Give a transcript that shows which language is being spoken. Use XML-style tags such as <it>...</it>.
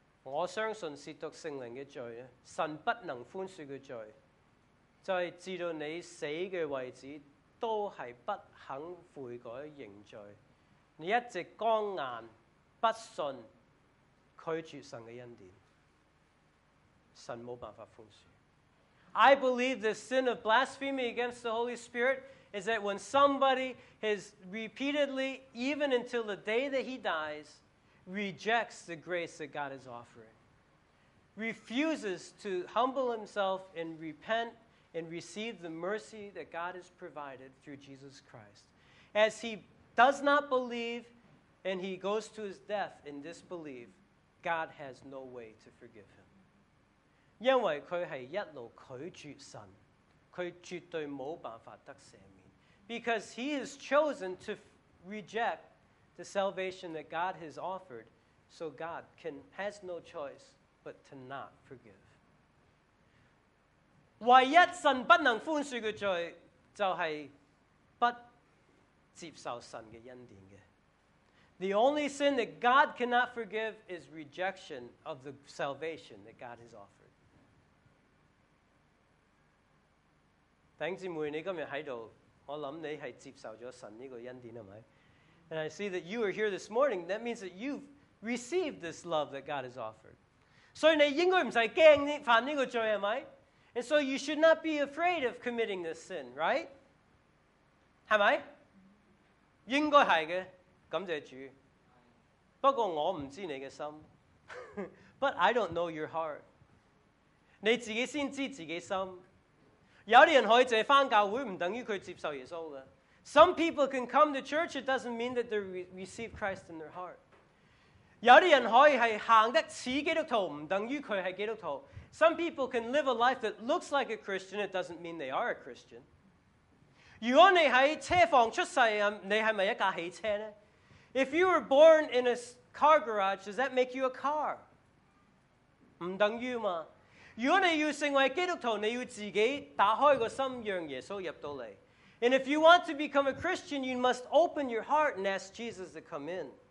<zh>我相信亵渎圣灵的罪，神不能宽恕的罪，就是至到你死的位置都是不肯悔改认罪，你一直刚硬不信，拒绝神的恩典，神没办法宽恕。</zh> <en>I believe the sin of blasphemy against the Holy Spirit is that when somebody has repeatedly, even until the day that he diesrejects the grace that God is offering, refuses to humble himself and repent and receive the mercy that God has provided through Jesus Christ. As he does not believe and he goes to his death in disbelief, God has no way to forgive him.</en> <zh>因为他是一路拒绝神，他绝对没办法得赦免。</zh> <en>Because he has chosen to reject the salvation that God has offered, so God has no choice but to not forgive.</en> <zh>唯一神不能宽恕的罪就是不接受神的恩典的。</zh> <en>The only sin that God cannot forgive is rejection of the salvation that God has offered.</en> <zh>弟兄姊妹，你今天在这里，我想你是接受了神这个恩典，是吗？</zh> <en>And I see that you are here this morning. That means that you've received this love that God has offered. So you</en> <zh>应该不用怕你犯这个罪，是吗？</zh> <en>And so you should not be afraid of committing this sin, right?</en> <zh>是吗？应该是的，感谢主。不过我不知道你的心。</zh> <en>But I don't know your heart.</en> <zh>你自己先知自己心。有的人可以只回教会，不等于他接受耶稣的。</zh> <en>Some people can come to church, it doesn't mean that they receive Christ in their heart.</en> <zh>有的人可以是行得似基督徒，不等于他是基督徒。</zh> <en>Some people can live a life that looks like a Christian, it doesn't mean they are a Christian.</en> <zh>如果你在车房出世，你是不是一架汽车呢？</zh> <en>If you were born in a car garage, does that make you a car?</en> <zh>不等于嘛。如果你要成为基督徒，你要自己打开个心，让耶稣入到你。</zh> <en>And if you want to become a Christian, you must open your heart and ask Jesus to come in.</en>